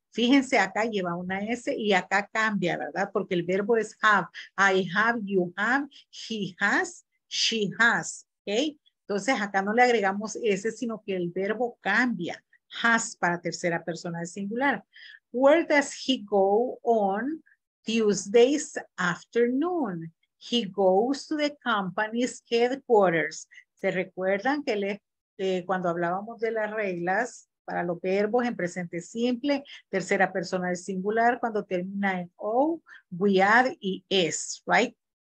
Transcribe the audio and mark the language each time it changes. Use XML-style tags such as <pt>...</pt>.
<es>Fíjense, acá lleva una S y acá cambia, ¿verdad? Porque el verbo es have.</es> <en>I have, you have, he has, she has. ¿Okay?</en> <es>Entonces, acá no le agregamos S, sino que el verbo cambia.</es> <en>Has</en> <es>para tercera persona de singular.</es> <en>Where does he go on Tuesday's afternoon? He goes to the company's headquarters.</en> <es>¿Se recuerdan que cuando hablábamos de las reglas para los verbos en presente simple, tercera persona del singular, cuando termina en O,</es> <en>we add ES, right?</en>